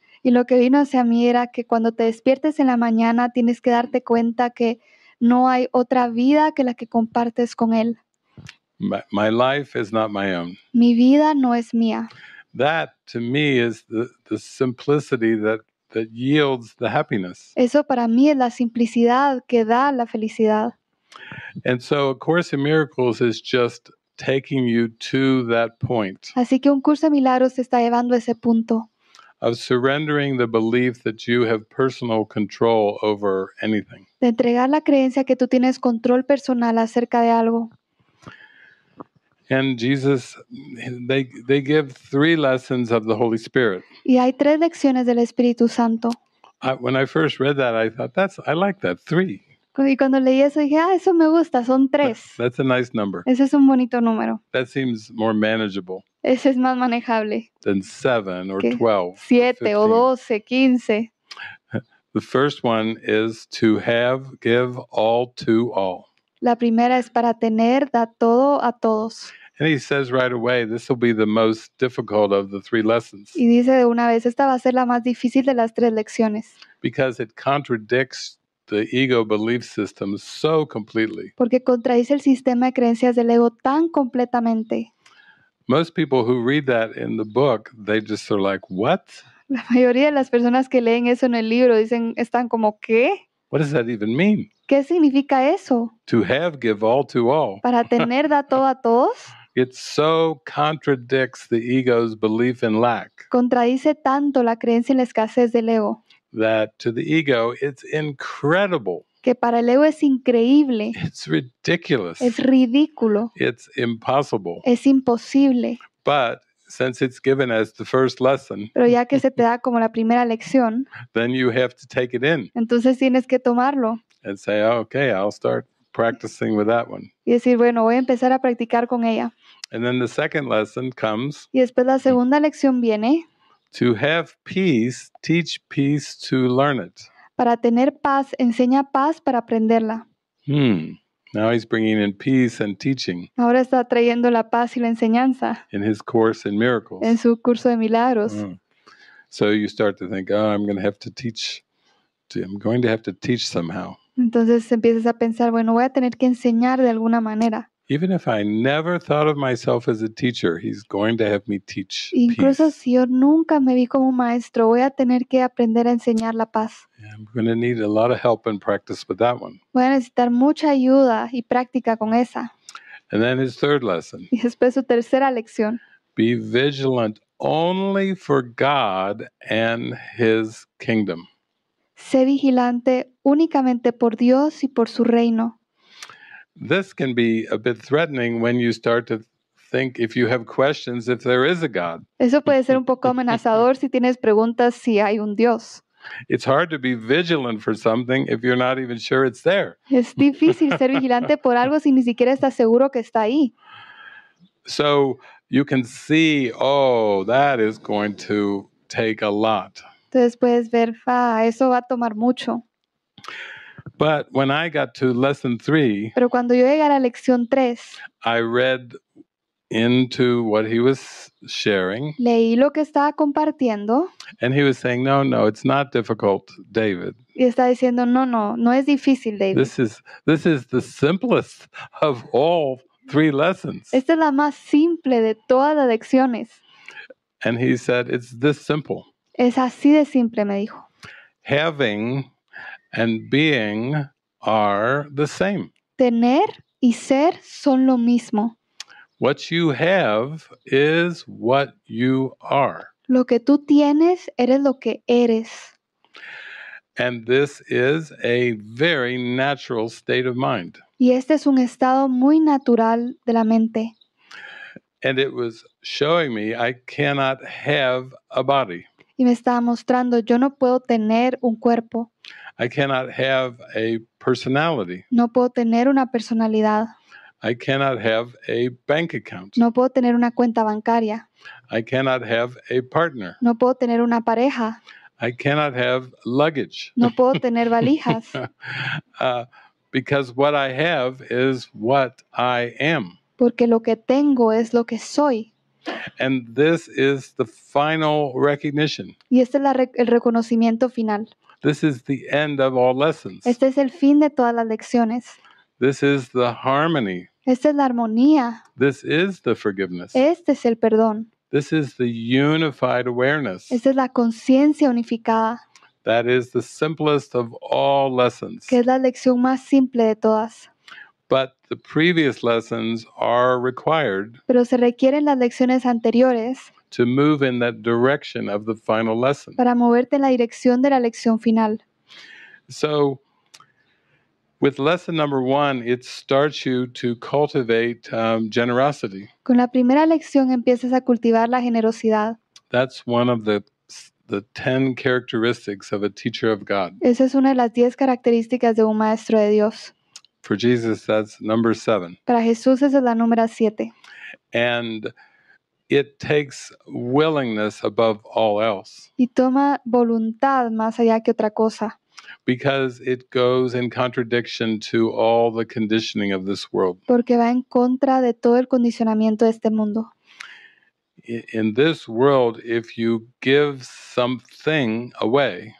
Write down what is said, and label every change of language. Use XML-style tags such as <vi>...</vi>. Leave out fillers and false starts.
<es>Y lo que vino hacia mí era que cuando te despiertes en la mañana tienes que darte cuenta que no hay otra vida que la que compartes con Él.</es> <en>My life is not my own.</en> <es>Mi vida no es mía.</es> <en>That to me is the simplicity that yields the happiness.</en> <es>Eso para mí es la simplicidad que da la felicidad.</es> <en>And so A Course in Miracles is just taking you to that point.</en> <es>Así que Un Curso de Milagros te está llevando a ese punto.</es> <en>Of surrendering the belief that you have personal control over anything.</en> <es>De entregar la creencia que tú tienes control personal acerca de algo.</es> <en>And Jesus, they give three lessons of the Holy Spirit.</en> <es>Y hay tres lecciones del Espíritu Santo.</es> <en>When I first read that, I thought, I like that, three.</en> <es>Y cuando leí eso, dije, eso me gusta, son tres.</es> <en>That's a nice number.</en> <es>Ese es un bonito número.</es> <en>That seems more manageable.</en> <es>Ese es más manejable.</es> <en>Than seven or 12.</en> <es>Siete o 12, 15.</es> <en>The first one is to give all to all.</en> <es>La primera es para tener, da todo a todos.</es> <en>And he says right away, this will be the most difficult of the three lessons.</en> <es>Y dice de una vez, esta va a ser la más difícil de las tres lecciones.</es> <en>Because it contradicts the ego belief system so completely.</en> <es>Porque contradice el sistema de creencias del ego tan completamente.</es> <en>Most people who read that in the book, they just are like, what?</en> <es>La mayoría de las personas que leen eso en el libro dicen, están como, ¿qué?</es> <en>What does that even mean?</en> <es>¿Qué significa eso?</es> <en>To have, give all to all.</en> <es>Para tener, da todo a todos.</es> <en>It so contradicts the ego's belief in lack.</en> <es>Contradice tanto la creencia en la escasez del ego.</es> <en>That to the ego, it's incredible.</en> <es>Que para el ego es increíble.</es> <en>It's ridiculous.</en> <es>Es ridículo.</es> <en>It's impossible.</en> <es>Es imposible.</es> <en>But since it's given as the first lesson,</en> <es>pero ya que se te da como la primera lección,</es> <en>then you have to take it in.</en> <es>Entonces tienes que tomarlo.</es> <en>And say, okay, I'll start practicing with that one.</en> <es>Y decir, bueno, voy a empezar a practicar con ella.</es> <en>And then the second lesson comes.</en> <es>Y después la segunda lección viene.</es> <en>To have peace, teach peace to learn it.</en> <es>Para tener paz, enseña paz para aprenderla.</es> <en>Now he's bringing in peace and teaching.</en> <es>Ahora está trayendo la paz y la enseñanza.</es> <en>In his Course in Miracles.</en> <es>En su curso de milagros.</es> <en>So you start to think, oh, I'm going to have to teach somehow.</en> <es>Entonces empiezas a pensar, bueno, voy a tener que enseñar de alguna manera.</es> <en>Even if I never thought of myself as a teacher, he's going to have me teach.</en> <es>Incluso</es> <en>peace.</en> <es>Si yo nunca me vi como maestro, voy a tener que aprender a enseñar la paz.</es> <en>Yeah, I'm going to need a lot of help and practice with that one.</en> <es>Voy a necesitar mucha ayuda y práctica con esa.</es> <en>And then his third lesson.</en> <es>Y después su tercera lección.</es> <en>Be vigilant only for God and His kingdom.</en> <es>Sé vigilante únicamente por Dios y por su reino.</es> <en>This can be a bit threatening when you start to think if you have questions if there is a God.</en> <es>Eso puede ser un poco amenazador si tienes preguntas si hay un Dios.</es> <en>It's hard to be vigilant for something if you're not even sure it's there.</en> <es>Es difícil ser vigilante por algo si ni siquiera estás seguro que está ahí.</es> <en>So you can see, that is going to take a lot.</en> <es>Entonces puedes ver, eso va a tomar mucho.</es> <en>But when I got to lesson 3,</en> <es>pero cuando yo llegué a la lección 3,</es> <en>I read into what he was sharing.</en> <es>Leí lo que estaba compartiendo.</es> <en>And he was saying, no, it's not difficult, David.</en> <es>Y está diciendo, no es difícil, David.</es> <en>This is the simplest of all three lessons.</en> <es>Esta es la más simple de todas las lecciones.</es> <en>And he said, it's this simple.</en> <es>Es así de simple, me dijo.</es> <en>Having and being are the same.</en> <es>Tener y ser son lo mismo.</es> <en>What you have is what you are.</en> <es>Lo que tú tienes, eres lo que eres.</es> <en>And this is a very natural state of mind.</en> <es>Y este es un estado muy natural de la mente.</es> <en>And it was showing me I cannot have a body.</en> <es>Y me estaba mostrando, yo no puedo tener un cuerpo.</es> <en>I cannot have a personality.</en> <es>No puedo tener una personalidad.</es> <en>I cannot have a bank account.</en> <es>No puedo tener una cuenta bancaria.</es> <en>I cannot have a partner.</en> <es>No puedo tener una pareja.</es> <en>I cannot have luggage.</en> <es>No puedo tener valijas.</es> <en>Because what I have is what I am.</en> <es>Porque lo que tengo es lo que soy.</es> <en>And this is the final recognition.</en> <es>Y este es el reconocimiento final.</es> <en>This is the end of all lessons.</en> <es>Este es el fin de todas las lecciones.</es> <en>This is the harmony.</en> <es>Esta es la armonía.</es> <en>This is the forgiveness.</en> <es>Este es el perdón.</es> <en>This is the unified awareness.</en> <es>Esta es la conciencia unificada.</es> <en>That is the simplest of all lessons.</en> <es>Que es la lección más simple de todas.</es> <en>But the previous lessons are required.</en> <es>Pero se requieren las lecciones anteriores.</es> <en>To move in that direction of the final lesson.</en> <es>Para moverte en la dirección de la lección final.</es> <en>So, with lesson number one, it starts you to cultivate generosity.</en> <es>Con la primera lección empiezas a cultivar la generosidad.</es> <en>That's one of the 10 characteristics of a teacher of God.</en> <es>Esa es una de las 10 características de un maestro de Dios.</es> <en>For Jesus, that's number 7.</en> <es>Para Jesús esa es la número 7.</es> <en>And it takes willingness above all else.</en> <es>Y toma voluntad más allá que otra cosa.</es> <en>Because it goes in contradiction to all the conditioning of this world.</en> <es>Porque va en contra de todo el condicionamiento de este mundo.</es> <en>In this world, if you give something away,</en>